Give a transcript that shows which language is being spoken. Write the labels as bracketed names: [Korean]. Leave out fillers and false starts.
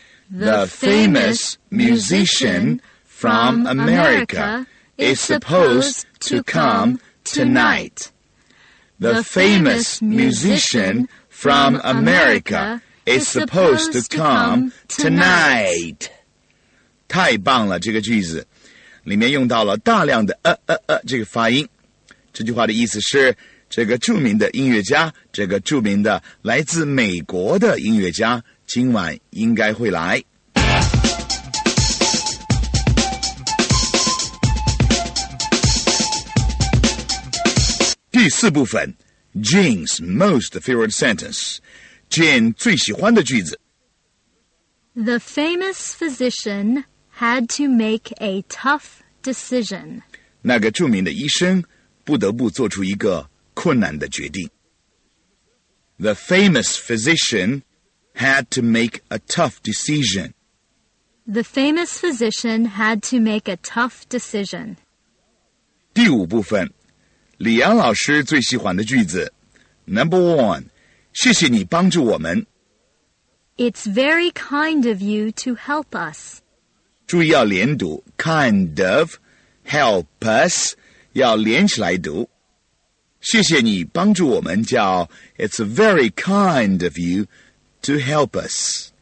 [English] The famous musician from America is supposed to come tonight. The famous musician from America is supposed to come tonight. [Chinese] 太棒了，这个句子里面用到了大量的这个发音。这句话的意思是，这个著名的音乐家，这个著名的来自美国的音乐家今晚应该会来。第四部分， [English] Jane's most favorite sentence， [Chinese] Jane 最喜欢的句子。 [English] The famous physician had to make a tough decision. [Chinese] 那个著名的医生不得不做出一个困难的决定。 [English] The famous physician had to make a tough decision. The famous physician had to make a tough decision. [Chinese] 第五部分，李阳老师最喜欢的句子。 [English] Number one, [Chinese] 谢谢你帮助我们。 [English] It's very kind of you to help us. [Chinese] 注意要连读 [English] kind of, help us, [Chinese] 要连起来读。谢谢你帮助我们叫 [English] It's very kind of you to help us.